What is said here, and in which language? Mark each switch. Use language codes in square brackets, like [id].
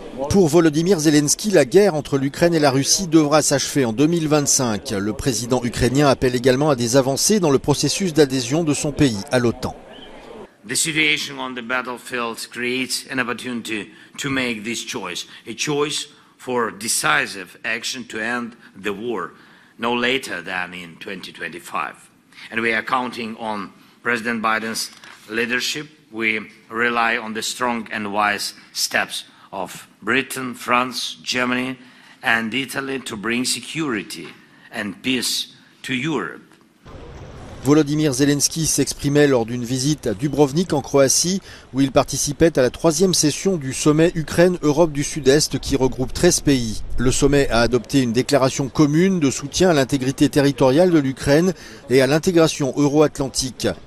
[fr] Pour Volodymyr Zelensky, la guerre entre l'Ukraine et la Russie devra s'achever en 2025. Le président ukrainien appelle également à des avancées dans le processus d'adhésion de son pays à l'OTAN. [en] The situation on the battlefield creates an opportunity to make this choice, a choice for decisive action to end the war no later than in 2025. And we are counting on President Biden's leadership. We rely on the strong and wise steps of Britain, France, Germany and Italy to bring security and peace to Europe. [fr] Volodymyr Zelensky s'exprimait lors d'une visite à Dubrovnik en Croatie, où il participait à la troisième session du sommet Ukraine-Europe du Sud-Est qui regroupe 13 pays. Le sommet a adopté une déclaration commune de soutien à l'intégrité territoriale de l'Ukraine et à l'intégration euro-atlantique.